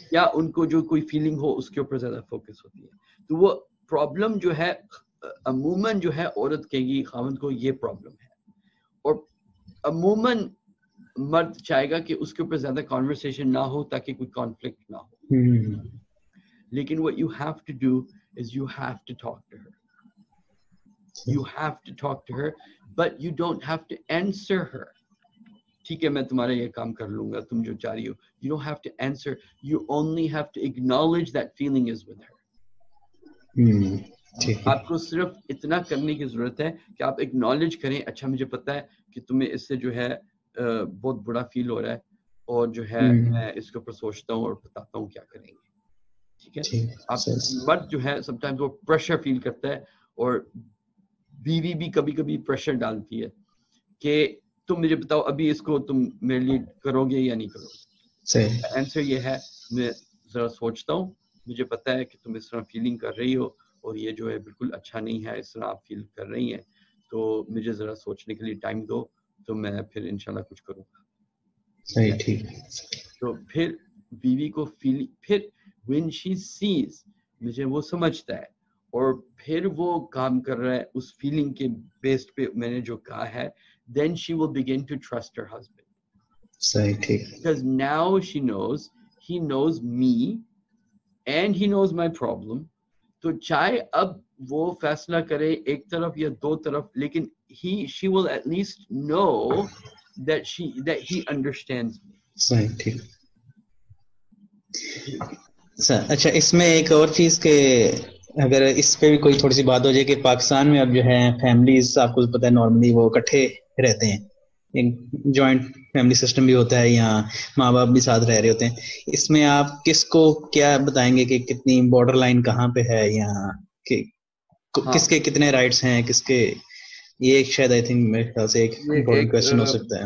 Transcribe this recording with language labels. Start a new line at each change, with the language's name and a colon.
Urdu: یا ان کو جو کوئی فیلنگ ہو اس کے اوپر زیادہ فوکس ہوتی ہے, تو وہ پرابلم جو ہے عموماً جو ہے عورت کہیں گی خاوند کو یہ پرابلم ہے, اور عموماً مرد چاہے گا کہ اس کے اوپر زیادہ کانورسیشن نہ ہو تاکہ کوئی کانفلکٹ نہ ہو. لیکن
English: what you have to do is you have to talk to her, you have to talk to her, but you don't have to answer her.
Urdu: ٹھیک ہے میں تمہارا یہ کام کر لوں گا تم جو چاہ رہی ہو,
English: you don't have to answer, you only have to acknowledge that feeling is with her.
Urdu: آپ کو صرف اتنا کرنے کی ضرورت ہے کہ آپ acknowledge کریں, اچھا مجھے پتا ہے کہ تمہیں اس سے جو ہے بہت برا فیل ہو رہا ہے, اور جو ہے میں اس کے اوپر سوچتا ہوں اور بتاتا ہوں کیا کریں گے, ٹھیک ہے. آپ مرد جو ہے سم ٹائمز وہ پریشر فیل کرتا ہے, اور بیوی بھی کبھی کبھی پریشر ڈالتی ہے کہ تم مجھے بتاؤ ابھی اس کو تم میرے لیے کرو گے یا نہیں کرو گے. آنسر یہ ہے میں ذرا سوچتا ہوں, مجھے پتا ہے کہ تم اس طرح فیلنگ کر رہی ہو اور یہ جو ہے بالکل اچھا نہیں ہے اس طرح آپ فیل کر رہی ہیں, تو مجھے ذرا سوچنے کے لیے ٹائم دو تو میں پھر انشاءاللہ کچھ کروں گا. صحیح ٹھیک. تو پھر بیوی کو فیل, پھر
English: when she sees,
Urdu: مجھے وہ سمجھتا ہے اور پھر وہ کام کر رہا ہے اس فیلنگ کے بیس پہ میں نے جو کہا ہے,
English: then she will begin to trust her husband.
Urdu: صحیح, ٹھیک.
English: Because now she knows, he knows me and he knows my problem.
Urdu: تو چاہے اب وہ فیصلہ کرے ایک طرف یا دو طرف, لیکن
English: she will at least know that he understands me.
Urdu: صحیح, ٹھیک. اچھا, اس میں ایک اور چیز کے اگر اس پہ بھی کوئی تھوڑی سی بات ہو جائے کہ پاکستان میں اب جو ہے فیملیز, آپ کو پتا ہے نارملی وہ اکٹھے رہتے ہیں, ایک جوائنٹ فیملی سسٹم بھی ہوتا ہے, یہاں ماں باپ بھی ساتھ رہ رہے ہوتے ہیں, اس میں آپ کس کو کیا بتائیں گے کہ کتنی بارڈر لائن کہاں پہ ہے, یا کس کے کتنے رائٹس ہیں, کس کے, یہ شاید آئی تھنک میرے خیال سے ایک امپورٹنٹ کوسچن ہو سکتا ہے.